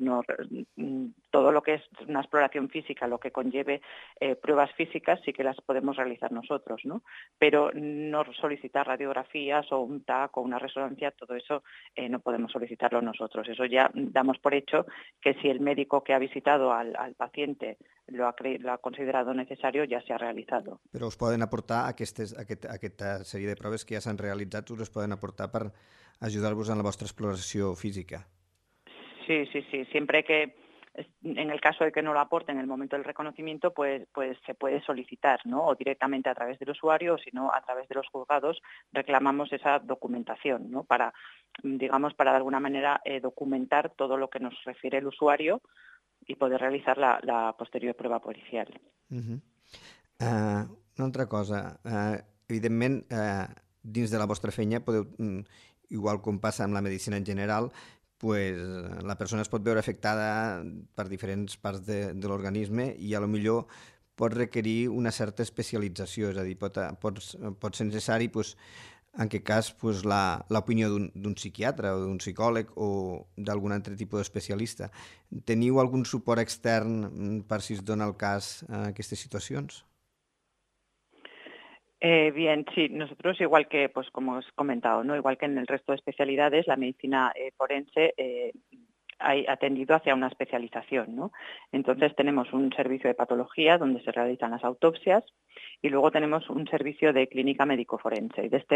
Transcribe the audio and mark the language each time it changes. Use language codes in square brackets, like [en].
[es] No, todo lo que es una exploración física, lo que conlleve pruebas físicas, sí que las podemos realizar nosotros, ¿no? Pero no solicitar radiografías o un TAC o una resonancia, todo eso no podemos solicitarlo nosotros. Eso ya damos por hecho que si el médico que ha visitado al paciente lo ha considerado necesario, ya se ha realizado. [ca] Però us poden aportar aquesta sèrie de proves que ja s'han realitzat, us les poden aportar per ajudar-vos en la vostra exploració física? [es] Sí, sí, sí. Siempre que, en el caso de que no lo aporten en el momento del reconocimiento, pues se puede solicitar, ¿no? O directamente a través del usuario, o si no, a través de los juzgados, reclamamos esa documentación, ¿no? Para, digamos, para de alguna manera documentar todo lo que nos refiere el usuario y poder realizar la posterior prueba policial. [ca] Uh-huh. Una altra cosa. Evidentment, dins de la vostra feina podeu igual com passa amb la medicina en general, pues, la persona es pot veure afectada per diferents parts de l'organisme i a lo millor pot requerir una certa especialització, és a dir, pot ser necessari, pues, en aquest cas, pues, l'opinió d'un psiquiatre o d'un psicòleg o d'algun altre tipus d'especialista. Teniu algun suport extern per si es dona el cas a aquestes situacions? [es] Bien, sí, nosotros igual que, pues como os he comentado, ¿no? Igual que en el resto de especialidades, la medicina forense ha atendido hacia una especialización, ¿no? Entonces tenemos un servicio de patología donde se realizan las autopsias y luego tenemos un servicio de clínica médico-forense.